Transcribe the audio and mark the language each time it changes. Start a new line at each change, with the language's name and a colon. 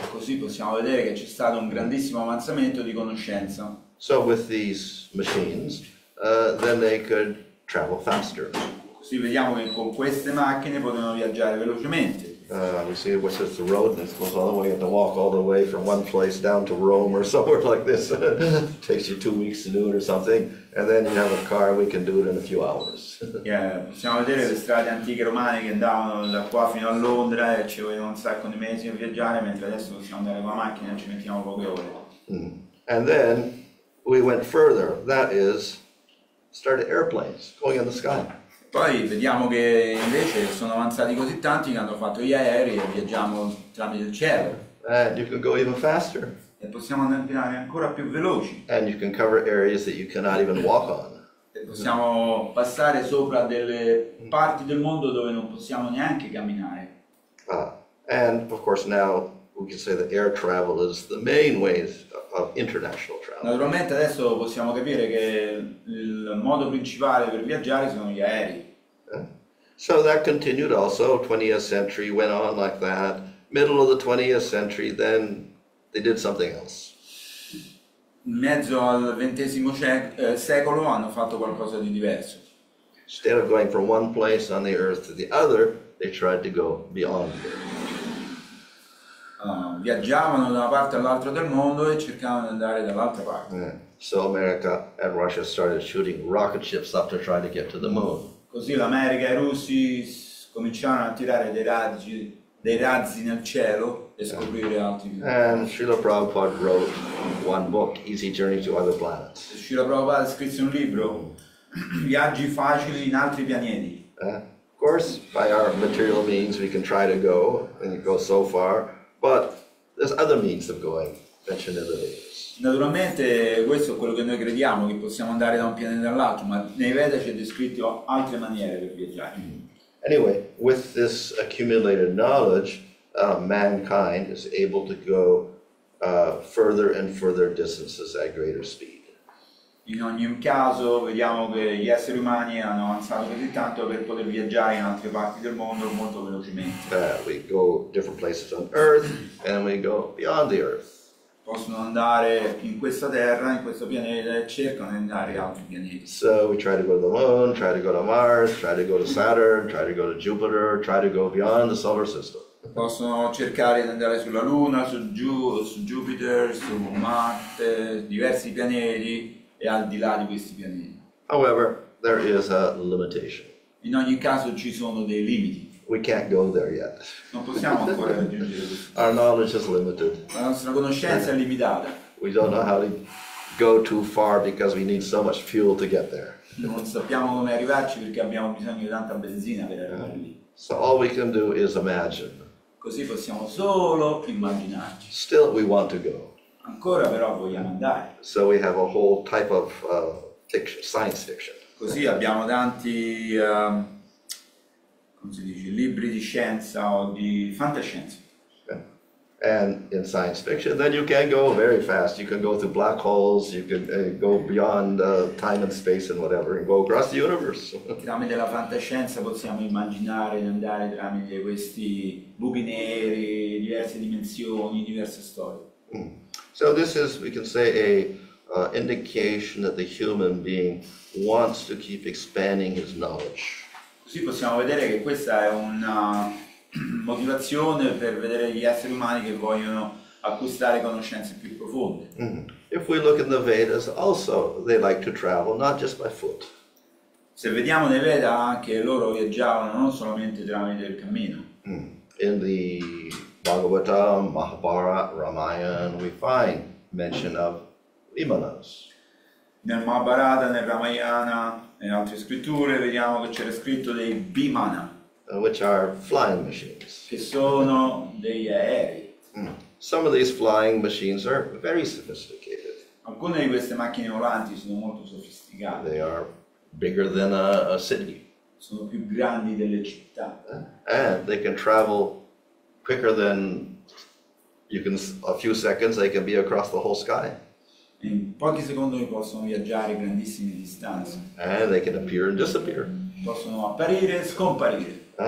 Italian: Così possiamo vedere che c'è stato un grandissimo avanzamento di conoscenza.
English: So with these machines, then they could travel faster.
Italian: Così vediamo che con queste macchine potevano viaggiare velocemente.
English: We see what says the road and it goes all the way and to walk all the way from one place down to Rome or somewhere like this. It takes you 2 weeks to do it or something, and then you have a car, we can do it in a few hours.
Italian: Possiamo vedere le strade antiche romane che andavano da qua fino a Londra e ci vogliono un sacco di mesi a viaggiare, mentre adesso possiamo andare con la macchina e ci mettiamo poche ore.
English: And then we went further, that is, started airplanes going in the sky.
Italian: Poi vediamo che invece sono avanzati così tanti che hanno fatto gli aerei e viaggiamo tramite il cielo.
English: And you can go even faster.
Italian: E possiamo andare ancora più veloci.
English: And you can cover areas that you cannot even walk on.
Italian: E possiamo passare sopra delle parti del mondo dove non possiamo neanche camminare.
English: And of course now we can say that air travel is the main ways of international travel.
Italian: Naturalmente adesso possiamo capire che il modo principale per viaggiare sono gli aerei.
English: So that continued also, 20th century went on like that, middle of the 20th century, then they did something else.
Italian: In mezzo al ventesimo secolo hanno fatto qualcosa di diverso.
English: Instead of going from one place on the earth to the other, they tried to go beyond the earth.
Italian: Viaggiavano da una parte all'altra del mondo e cercavano di andare dall'altra parte.
English: So America and Russia started shooting rocket ships up to try to get to the moon.
Italian: Così l'America e i russi cominciarono a tirare dei razzi nel cielo e scoprire altri.
English: And Srila Prabhupada wrote one book, Easy Journey to Other Planets.
Italian: Srila Prabhupada scrisse un libro, Viaggi facili in altri pianeti.
English: Of course, by our material means we can try to go, and go so far, but there's other means of going, mentioned in the Vedas.
Italian: Naturalmente questo è quello che noi crediamo, che possiamo andare da un pianeta all'altro, ma nei Veda c'è descritto altre maniere per viaggiare.
English: Anyway, with this accumulated knowledge, mankind is able to go further and further distances at greater speed.
Italian: In ogni caso, vediamo che gli esseri umani hanno avanzato così tanto per poter viaggiare in altre parti del mondo molto velocemente.
English: We go different places on Earth and we go beyond the Earth.
Italian: Possono andare in questa terra, in questo pianeta, e cercano di andare in altri pianeti.
English: So we try to go to the Moon, try to go to Mars, try to go to Saturn, try to go to Jupiter, try to go beyond the solar system.
Italian: Possono cercare di andare sulla Luna, su Jupiter, su Marte, diversi pianeti e al di là di questi pianeti.
English: However, there is a limitation.
Italian: In ogni caso ci sono dei limiti.
English: We can't go there yet.
Italian: Non possiamo ancora raggiungere.
English: Our knowledge is limited.
Italian: La nostra conoscenza è limitata.
English: We don't know how to go too far because we need so much fuel to get there.
Italian: Non sappiamo come arrivarci perché abbiamo bisogno di tanta benzina per arrivare lì.
English: So all we can do is imagine.
Italian: Così possiamo solo immaginarci.
English: Still we want to go.
Italian: Ancora però vogliamo andare.
English: So we have a whole type of fiction, science fiction.
Italian: Così abbiamo tanti come si dice, libri di scienza o di fantascienza.
English: And in science fiction, then you can go very fast. You can go through black holes, you can go beyond time and space and whatever, and go across the universe.
Italian: Tramite la fantascienza possiamo immaginare di andare tramite questi buchi neri, diverse dimensioni, diverse storie.
English: So this is, we can say, a indication that the human being wants to keep expanding his knowledge.
Italian: Così possiamo vedere che questa è una motivazione per vedere gli esseri umani che vogliono acquistare conoscenze più profonde.
English: If we look in the Vedas also, they like to travel, not just by foot.
Italian: Se vediamo nei Veda anche loro viaggiavano non solamente tramite il cammino.
English: In the Bhagavata, Mahabharata, Ramayana, we find mention of Vimanas.
Italian: Nel Mahabharata, nel Ramayana e altre scritture vediamo che c'era scritto dei Vimana,
English: which are flying machines.
Italian: Che sono degli aerei.
English: Some of these flying machines are very sophisticated.
Italian: Alcune di queste macchine volanti sono molto sofisticate.
English: They are bigger than a city.
Italian: Sono più grandi delle città.
English: And they can travel quicker than you can, a few seconds they can be across the whole sky.
Italian: In pochi secondi possono viaggiare grandissime distanze.
English: And they can appear and disappear.
Italian: Possono apparire e scomparire.